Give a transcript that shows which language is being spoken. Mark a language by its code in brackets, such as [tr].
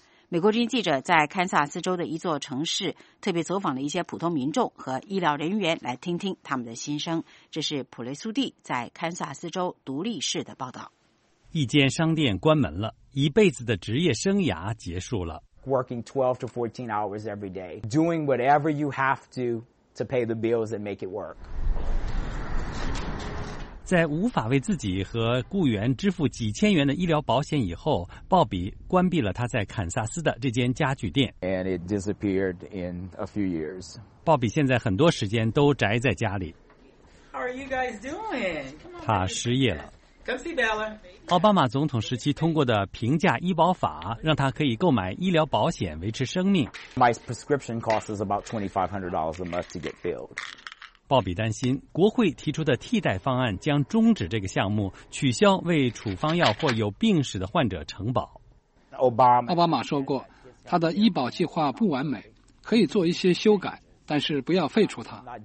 [zh] 美国之音记者在堪萨斯州的一座城市特别走访了一些普通民众和医疗人员，来听听他们的心声。这是普雷苏蒂在堪萨斯州独立市的报道。一间商店关门了，一辈子的职业生涯结束了。 [en] Working 12 to 14 hours every day, doing whatever you have to pay the bills and make it work. [zh] 在无法为自己和雇员支付几千元的医疗保险以后，鲍比关闭了他在堪萨斯的这间家具店。 [en] And it disappeared in a few years. [zh] 鲍比现在很多时间都宅在家里。 [en] How are you guys doing? [zh] 他失业了。 [en] Come see [zh] 奥巴马总统时期通过的平价医保法让他可以购买医疗保险维持生命。 [en] My prescription cost is about $2,500 a month to get filled. [zh] 鲍比担心国会提出的替代方案将终止这个项目，取消为处方药或有病史的患者承保。奥巴马说过，他的医保计划不完美，可以做一些修改，但是不要废除它。